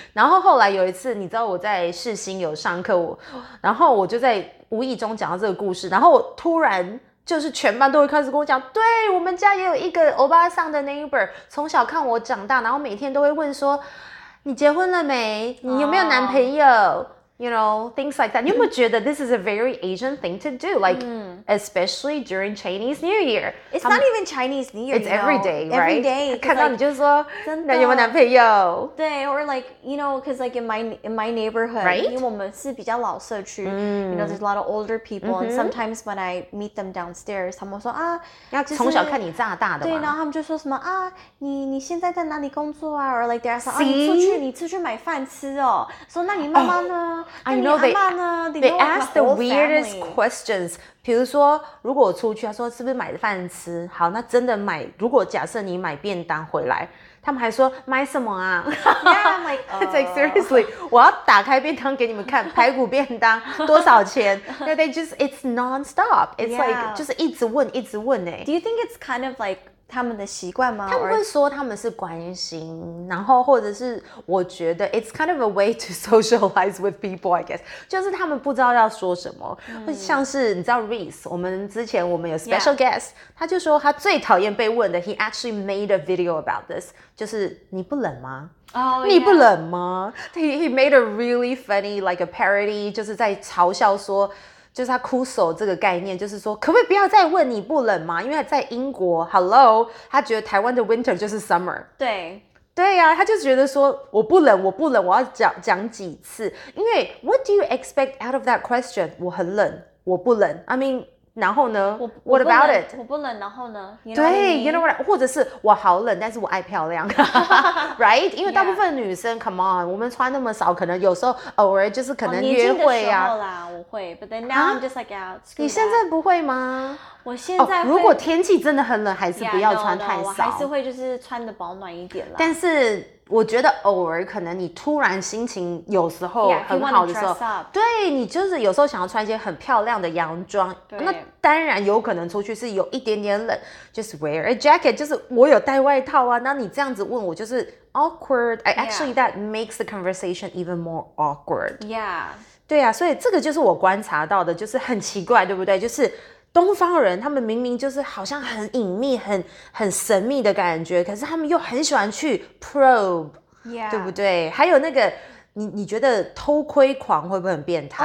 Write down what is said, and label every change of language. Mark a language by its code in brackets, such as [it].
[zh] 然后后来有一次，你知道我在世新有上课，然后我就在无意中讲到这个故事，然后我突然。就是全班都会开始跟我讲，对，我们家也有一个欧巴桑的 neighbor， 从小看我长大，然后每天都会问说，你结婚了没？你有没有男朋友？ [en] You know, things like that. [zh] 你有没有觉得 [en] this is a very Asian thing to do? Like, especially during Chinese New Year. It's not even Chinese New Year, It's every day, right? Every day. [zh] 看到你就说，那有没有男朋友？对， [en] or like, you know, because like in my neighborhood, [zh] 因为我们是比较老社区， [en] you know, there's a lot of older people, and sometimes when I meet them downstairs, [zh] 他们说啊，要从小看你长大的嘛。对，然后他们就说什么啊，你现在在哪里工作啊？ [en] Or like they're like, [zh] 啊，你出去买饭吃哦。说那你妈妈呢？ [en] I know they ask the weirdest questions. [zh] 比如说，如果我出去，他说是不是买饭吃？好，那真的买。如果假设你买便当回来，他们还说买什么啊？ [en] Yeah, I'm like, it's like seriously, [zh] 我要打开便当给你们看，排骨便当多少钱？ [en] No, they just it's nonstop. It's like [zh] 就是一直问欸。 [en] Do you think it's kind of like? [zh] 他们的习惯吗？他们会说他们是关心，然后或者是我觉得 [en] it's kind of a way to socialize with people, I guess. [zh] 就是他们不知道要说什么，像是你知道 Reese， 我们之前有 [en] special guest， [zh] 他就说他最讨厌被问的 ， [en] he actually made a video about this， [zh] 就是你不冷吗？你不冷吗 ？ [en] He made a really funny like a parody， [zh] 就是在嘲笑说。就是他枯守这个概念，就是说，可不可以不要再问你不冷吗？因为在英国 ，Hello， 他觉得台湾的 Winter 就是 Summer。对，对啊，他就觉得说我不冷，我要讲几次？因为 [en] What do you expect out of that question？ [zh] 我很冷，我不冷。 [en] I mean， [zh] 然后呢 [en] ？What about it？ [zh] 我不冷，然后呢？ [en] You know [zh] 对 [en] what I mean? ，You know what？ [zh] 或者是我好冷，但是我爱漂亮，Right？因为大部分女生 ， [en] Come on， [zh] 我们穿那么少，可能有时候偶尔就是可能约会啊。 [en] But then now I'm just like out.、 [zh] 你现在不会吗？我现在会、如果天气真的很冷，还是不要穿太少。 [en] Yeah, no, [zh] 我还是会就是穿的保暖一点啦。但是我觉得偶尔可能你突然心情有时候很好的时候， [en] yeah, [zh] 对你就是有时候想要穿一些很漂亮的洋装。对，那当然有可能出去是有一点点冷 ， [en] just wear a jacket， [zh] 就是我有带外套啊。那你这样子问我就是 awkward. [en] Actually, that makes the conversation even more awkward. Yeah. [zh] 对啊，所以这个就是我观察到的，就是很奇怪，对不对？就是东方人，他们明明就是好像很隐秘、很神秘的感觉，可是他们又很喜欢去 probe， [en] yeah. [zh] 对不对？还有那个，你觉得偷窥狂会不会很变态